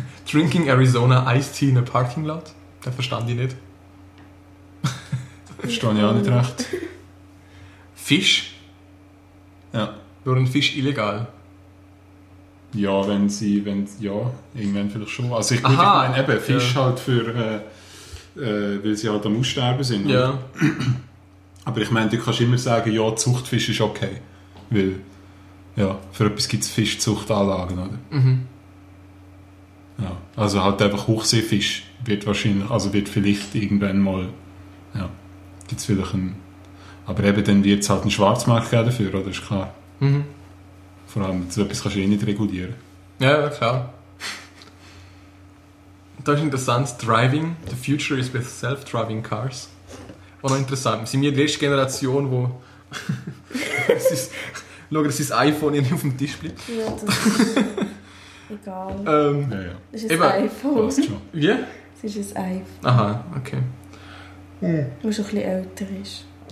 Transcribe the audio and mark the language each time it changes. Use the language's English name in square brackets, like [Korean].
[English] Drinking Arizona Iced Tea in a Parking Lot. [German] Da verstand ich nicht. Verstand ich auch nicht recht. Fisch. Ja. Wäre ein Fisch illegal? Ja, irgendwann vielleicht schon. Also ich meine, eben, Fisch halt für, weil sie halt am Aussterben sind. Ja. Aber ich meine, du kannst immer sagen, ja, Zuchtfisch ist okay. Weil, ja, für etwas gibt es Fischzuchtanlagen, oder? Mhm. Ja, also halt einfach Hochseefisch wird wahrscheinlich, also wird vielleicht irgendwann mal, ja, gibt es vielleicht ein, aber eben, dann wird es halt einen Schwarzmarkt geben dafür, oder? Ist klar. Mhm. Vor allem, so etwas kannst du eh nicht regulieren. Ja, klar. Das ist interessant. Driving. [English] The future is with self-driving cars. [German] Auch noch interessant. Sind wir die letzte Generation, wo... schaut, dass sein iPhone nicht auf dem Tisch bleibt. Ja, das ist egal. Ja, ja. Das ist ein iPhone. Schon. Wie? Das ist ein iPhone. Aha, okay. Wo schon ein bisschen älter ist.